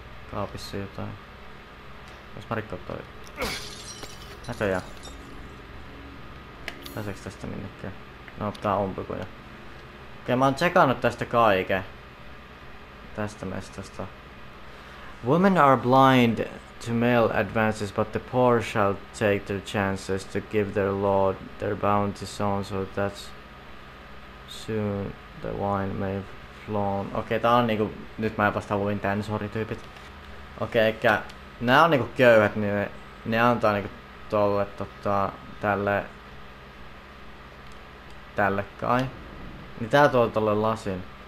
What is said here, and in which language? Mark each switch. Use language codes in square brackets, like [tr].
[fi] Kaapissa jotain. Jos mä rikko toi. Näköjään. Pääseekö tästä minnekään? No, tää umpikuja. Okei, mä oon tsekannut tästä kaiken. Tästä mestasta. [en] Women are blind to male advances, but the poor shall take their chances to give their lord their bounty on, so that soon the wine may flow. [fi] Okei, tää on niinku... Nyt mä vasta luin tän, sorry tyypit. Okei, eikä... Nää on niinku köyhät, niin ne antaa niinku tolle tota... Tälle kai. Niin tää tuo tolle lasin.